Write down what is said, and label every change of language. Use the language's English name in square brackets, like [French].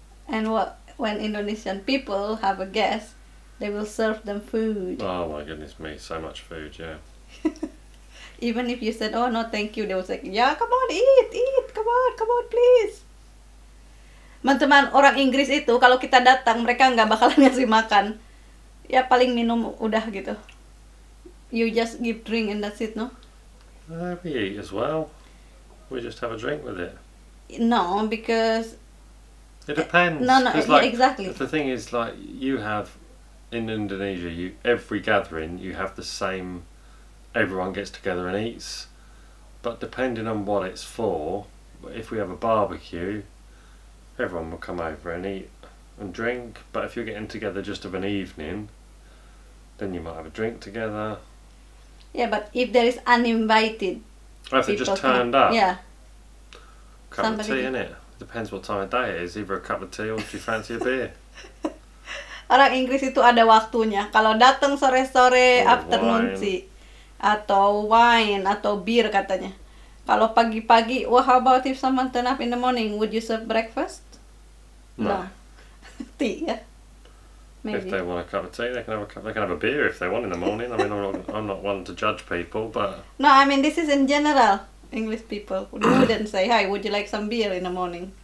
[English] And what when Indonesian people have a guest, they will serve them food. Oh my goodness me, so much food, yeah. Even if you said, oh no, thank you, they was like, yeah, come on, eat, come on, please. [Indonesian] Teman-teman, orang Inggris itu, kalau kita datang, mereka nggak bakalan ngasih makan. Ya, paling minum, udah gitu. [English] You just give drink and that's it, no? We eat as well. We just have a drink with it. No, because... It depends. No, yeah, like, exactly. The thing is, like, you have, in Indonesia, you every gathering, you have the same... Everyone gets together and eats, but depending on what it's for, if we have a barbecue, everyone will come over and eat and drink. But if you're getting together just of an evening, then you might have a drink together. Yeah, but if there is uninvited, if they just turned up, yeah, cup somebody of tea, can... innit? It depends what time of day it is. Either a cup of tea or do you fancy a beer? [Indonesian] Orang Inggris itu ada waktunya. Kalau datang sore-sore, [English] or afternoon wine. Tea. [Indonesian] Atau wine atau beer katanya. Kalau pagi-pagi, [English] well, how about if someone turn up in the morning, would you serve breakfast? No. Tea, yeah. Maybe. If they want a cup of tea, they can have a beer if they want in the morning. I mean, I'm not one to judge people, but no, I mean this is in general. English people wouldn't say, "Hi, would you like some beer in the morning?"